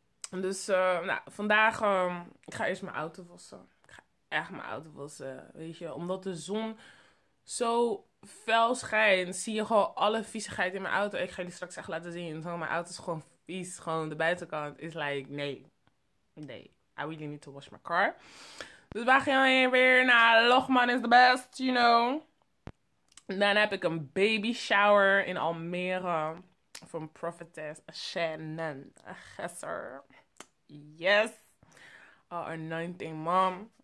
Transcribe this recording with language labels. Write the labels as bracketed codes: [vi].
[nl] Dus nou, vandaag ik ga eerst mijn auto wassen. Ik ga echt mijn auto wassen. Weet je, omdat de zon zo fel schijnt, zie je gewoon alle viezigheid in mijn auto. Ik ga jullie straks echt laten zien. Zo, mijn auto is gewoon vies. Gewoon de buitenkant is like, nee. [en] Nee, I really need to wash my car. [nl] Dus waar gaan we weer naar? Lochman [en] is the best, you know. [nl] Dan heb ik een baby shower in Almere. [en] Van Prophetess Shannon. Yes, sir. Yes. Our anointing mom.